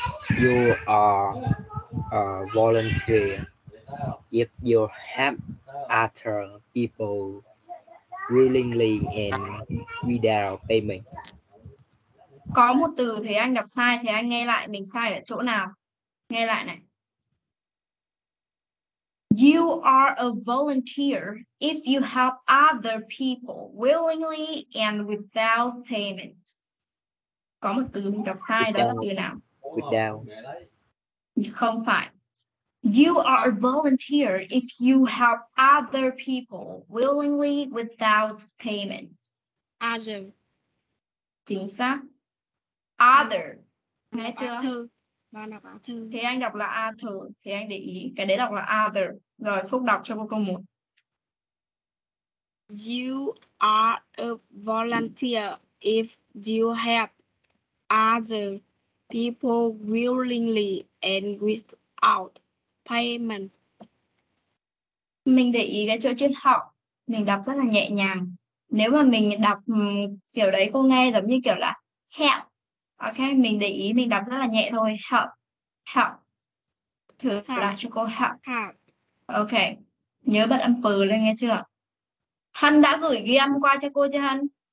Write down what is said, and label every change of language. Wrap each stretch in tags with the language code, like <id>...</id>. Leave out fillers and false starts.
<en>You are a volunteer if you help other people willingly and without payment.</en> <vi>Có một từ thì anh đọc sai, thì anh nghe lại mình sai ở chỗ nào. Nghe lại này.</vi> <en>You are a volunteer if you help other people willingly and without payment.</en> <vi>Có một từ mình đọc sai, đó là từ nào?</vi> <en>Without.</en> <vi>Không phải.</vi> <en>You are a volunteer if you help other people willingly without payment. Azu.</en> <vi>Chính xác. Other. Nghe chưa? Thư. Thế anh đọc là other. Thế anh để ý. Cái đấy đọc là other. Rồi Phúc đọc cho cô câu 1.</vi> <en>You are a volunteer if you help other people willingly and without payment.</en> <vi>Mình để ý cái chỗ trên họ. Mình đọc rất là nhẹ nhàng. Nếu mà mình đọc kiểu đấy cô nghe giống như kiểu là help. Ok, mình để ý mình đọc rất là nhẹ thôi. Help. Help. Thử đọc cho cô help.</vi> <en>Help. Ok.</en> <vi>Nhớ bật âm p lên nghe chưa? Hân đã gửi ghi âm qua cho cô chưa Hân?</vi>